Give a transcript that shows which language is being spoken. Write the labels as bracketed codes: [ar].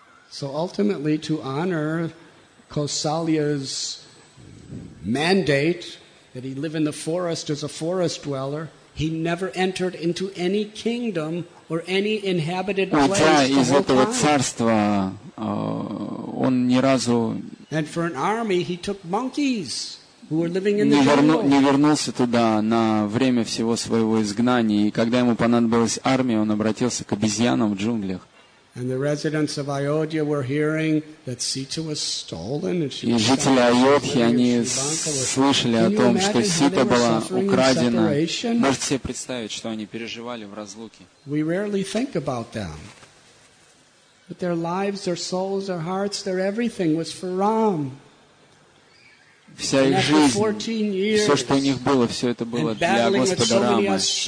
[en] So ultimately, to honor Kausalya's mandate that he live in the forest as a forest dweller, he never entered into any kingdom or any inhabited place the whole time. And for an army, he took monkeys who were living in the jungle. [ru] Не вернулся туда на время всего своего изгнания, и когда ему понадобилась армия, он обратился к обезьянам в джунглях. [en] And the residents of Ayodhya were hearing that Sita was stolen. [ru] И жители Айодхи они слышали о том, что Сита была украдена. Можете себе представить, что они переживали в разлуке? [en] We rarely think about them, but their lives, their souls, their hearts, their everything was for Ram. [ru] Вся их жизнь, все, что у них было, все это было для Господа Рамы.